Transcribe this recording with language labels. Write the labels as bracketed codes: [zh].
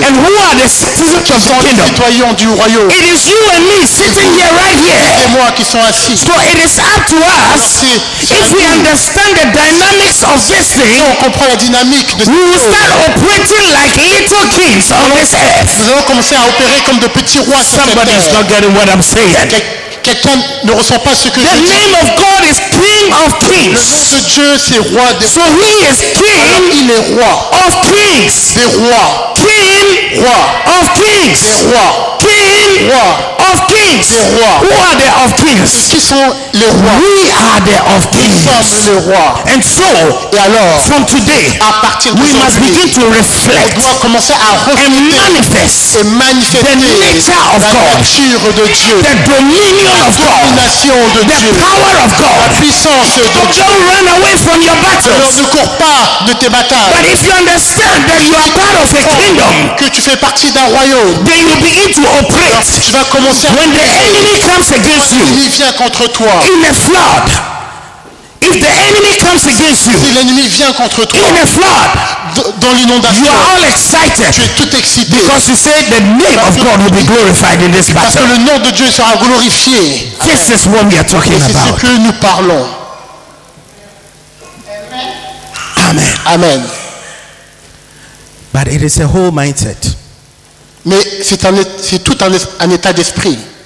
[en] And who are the citizens of the kingdom? [fr] Les citoyens du royaume. [en] It is you and me sitting here right here. [fr] C'est moi qui sont assis. [en] So it is up to us. [fr] C'est [en] if we understand the dynamics of this thing, [fr] si on comprend la dynamique de [en] we will start operating like little kings on this earth. [fr] Nous allons commencer à opérer comme de petits rois sur cette terre. [en] Somebody is not getting what I'm saying. [fr] Quelqu'un ne ressent pas ce que je dis. [en] The name of God is King of Kings. [fr] Le nom de Dieu c'est roi des. [en] So he is King. [fr] Alors, il est roi. [en] Of Kings. [fr] Des rois. [en] King. [fr] Roi. [en] Of Kings. [fr] Des rois. [en] King. [fr] Roi. [en] Of Kings. [fr] Des rois. [en] Who are they of Kings? [fr] Qui sont les rois? [en] We are the of Kings. [fr] Nous sommes les rois. [en] And so, [fr] et alors, [en] from today, [fr] à partir de [en] we must begin to reflect. [fr] On doit commencer à refléter. [en] And manifest. [fr] Et manifester. [en] The nature of [fr] la [en] God. [fr] Nature de Dieu. [en] The dominion. [fr] La domination de [en] the [fr] Dieu. [en] Power of God. [fr] La puissance de [en] don't [fr] Dieu. [en] Don't run away from your battles. [fr] Alors ne cours pas de tes batailles. [en] But if you understand that you are part of a kingdom, [fr] que tu fais partie d'un royaume, [en] then you begin to operate. [fr] Alors, tu vas commencer. [en] When the enemy comes against you, [fr] il vient contre toi. [en] In a flood. If the enemy comes against you, [fr] si l'ennemi vient contre toi, [en] in a flood, [fr] dans l'inondation, [en] you are all excited, [fr] tu es tout excité, [en] because you say the name [fr] parce [en] of God will be glorified in this battle. [fr] Parce que le nom de Dieu sera glorifié. [en] This amen. Is what we are talking [fr] et [en] about. [fr] C'est ce que nous parlons. [en] Amen. [fr] Amen. [en] But it is a whole mindset. [fr] Mais c'est tout un état d'esprit.